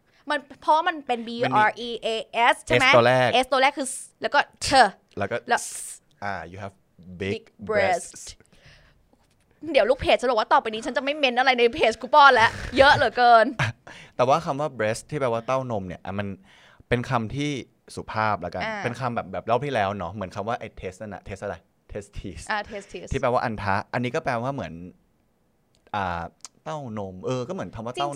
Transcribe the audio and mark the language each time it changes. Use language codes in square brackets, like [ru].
[th] มันเพราะมันเป็น breast ใช่ไหม s ตัวแรก s ตัวแรกคือแล้วก็ t [en] แล้วก็ you have big breasts breast. [th] เดี๋ยวลูกเพจจะบอกว่าต่อไปนี้ฉันจะไม่เมนอะไรในเพจกูป้อนแล้วเยอะเหลือเกิน แต่ว่าคำว่า breast ที่แปลว่าเต้านมเนี่ยมันเป็นคำที่สุภาพละกันเป็นคำแบบรอบที่แล้วเน า ะเหมือนคำว่าไอ้ test นั่นน่ะ test อะไร testis testis ที่แปลว่าอันทะอันนี้ก็แปลว่าเหมือนเต้านมก็เหมือนคำว่าเต้านม